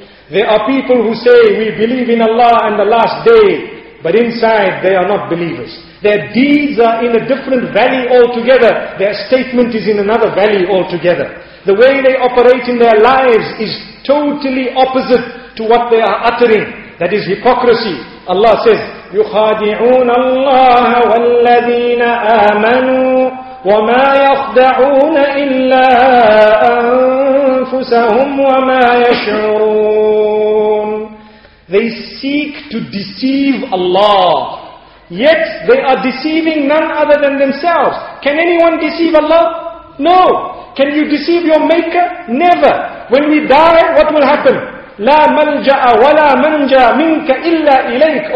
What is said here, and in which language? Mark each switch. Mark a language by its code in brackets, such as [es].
[en] There are people who say, we believe in Allah and the last day, but inside they are not believers. Their deeds are in a different valley altogether. Their statement is in another valley altogether. The way they operate in their lives is totally opposite to what they are uttering. That is hypocrisy. Allah says, [ar] يُخَادِعُونَ اللَّهَ وَالَّذِينَ آمَنُوا وَمَا يَخْدَعُونَ إِلَّا أَنفُسَهُمْ وَمَا يَشْعُرُونَ. [en] They seek to deceive Allah. Yet they are deceiving none other than themselves. Can anyone deceive Allah? No. Can you deceive your Maker? Never. When we die, what will happen? [ar] La manja'a wa la manja minka illa ilayk.